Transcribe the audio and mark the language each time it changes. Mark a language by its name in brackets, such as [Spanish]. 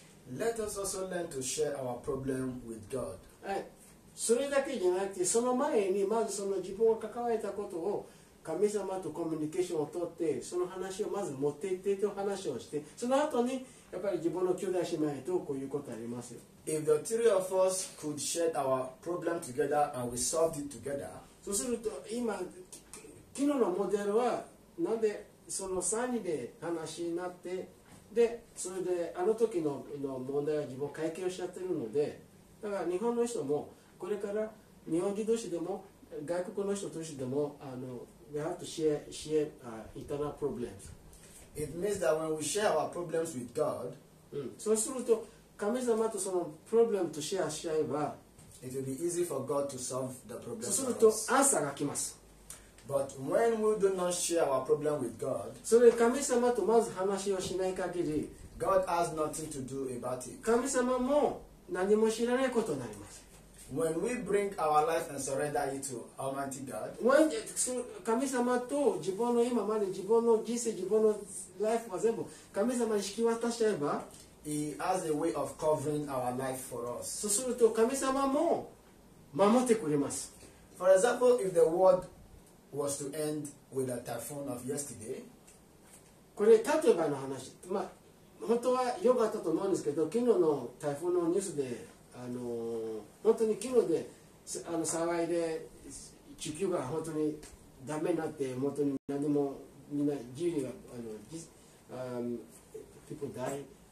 [English] Let us also learn to share our problem with God. [Japanese] はい。それだけじゃなくて、その前にまずその自分が関われたことを神様とコミュニケーションを取って、その話をまず持っていってと話をして、その後にやっぱり自分の兄弟姉妹とこういうことありますよ。 [English] If the three of us could share our problem together and we solved it together, [Japanese] そうすると今昨日のモデルはなんでその3人で話になってで、それであの時 の問題は自分解決しちゃってるので、だから日本の人もこれから日本人同士でも外国の人同士でも、あの [English] we have to share internal problems. It means that when we share our problems with God,、 [Japanese] うん、そうすると神様とそのプロブレムとシェアし合えば、 [English] it will be easy for God to solve the problem. [Japanese] そうするとアンサーが来ます。 [English] But when we do not share our problem with God, [Japanese] それ神様とまず話をしない限り、 [English] God has nothing to do about it. [Japanese] 神様も何も知らないことになります。 [English] When we bring our life and surrender it to Almighty God, [Japanese] when 神様と自分の今まで自分の人生自分の life は全部神様に引き渡しちゃえば、 [English] He has a way of covering our life for us. [Japanese] そうすると神様も守ってくれます。 [English] For example, if the world was to end with a typhoon of yesterday, [Japanese] これ例えばの話、まあ本当は良かったと思うんですけど、昨日の台風のニュースで。あの本当に昨日であの騒いで地球が本当にダメになって、本当に何でもみんな自由が、あの、 [English] people die。